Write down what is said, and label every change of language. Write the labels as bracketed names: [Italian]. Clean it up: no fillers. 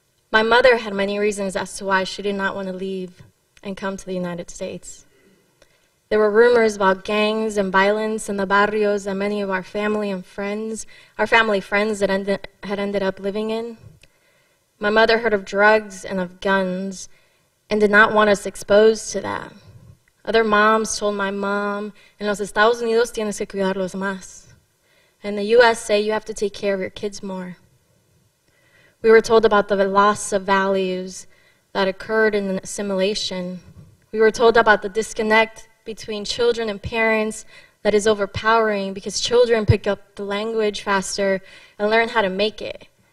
[English] My mother had many reasons as to why she did not want to leave and come to the United States. There were rumors about gangs and violence in the barrios that many of our family friends that had ended up living in. My mother heard of drugs and of guns and did not want us exposed to that. Other moms told my mom, [Spanish] "En los Estados Unidos tienes que cuidarlos más." [English] In the USA, you have to take care of your kids more. We were told about the loss of values that occurred in assimilation. We were told about the disconnect between children and parents that is overpowering because children pick up the language faster and learn how to make it.